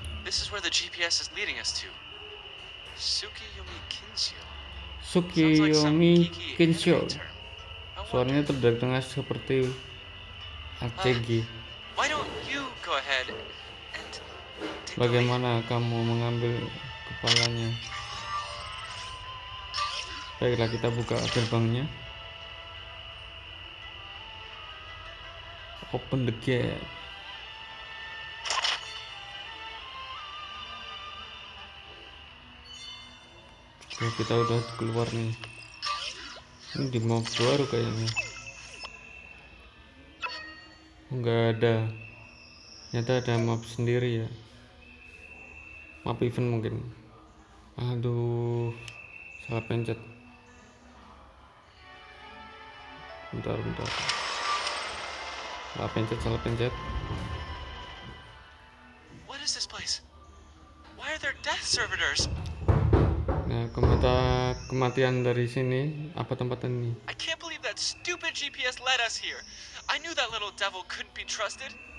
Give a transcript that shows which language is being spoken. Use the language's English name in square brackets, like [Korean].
[English] This is where the GPS is leading us to. Sukiyomi Kinshyo. [Indonesian] Sukiyomi Kinshyo. Suaranya terdengar seperti ACG. [English] Why don't you go ahead and [Indonesian] bagaimana kamu mengambil kepalanya? Baiklah, kita buka gerbangnya. [English] Open the gate. [Indonesian] Nah, kita udah keluar nih. Ini di map baru kayaknya. Enggak ada. Ternyata ada map sendiri ya. Map event mungkin. Aduh, salah pencet. Bentar. Salah pencet. [English] What is this place? Why are there death servitors? [Indonesian] Nah, kemata kematian dari sini apa tempat ini? [English] I can't believe that stupid GPS led us here. I knew that little devil couldn't be trusted.